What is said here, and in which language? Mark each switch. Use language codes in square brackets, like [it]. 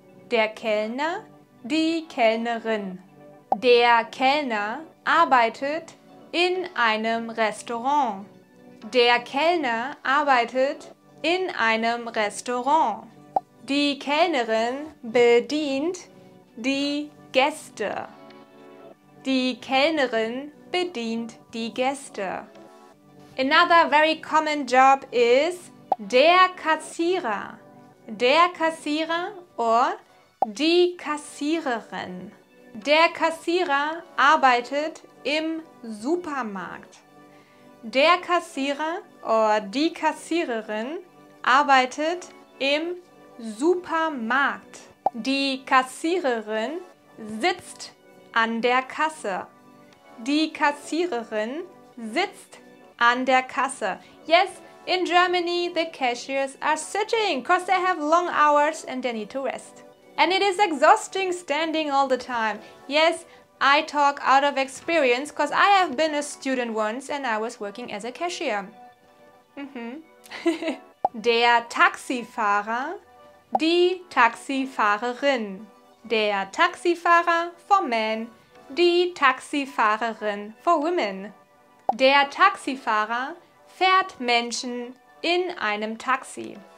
[de] Der Kellner, die Kellnerin. Der Kellner arbeitet in einem Restaurant. Der Kellner arbeitet in einem Restaurant. Die Kellnerin bedient die Gäste. Die Kellnerin bedient die Gäste. [en] Another very common job is der Kassierer. [de] Der Kassierer or die Kassiererin. Der Kassierer arbeitet im Supermarkt. Der Kassierer oder die Kassiererin arbeitet im Supermarkt. Die Kassiererin sitzt an der Kasse. Die Kassiererin sitzt an der Kasse. [en] Yes, in Germany the cashiers are sitting because they have long hours and they need to rest. And it is exhausting standing all the time. Yes, I talk out of experience because I have been a student once and I was working as a cashier. [de] Der Taxifahrer, die Taxifahrerin. Der Taxifahrer [en] for men, [de] die Taxifahrerin [en] for women. [de] Der Taxifahrer fährt Menschen in einem Taxi.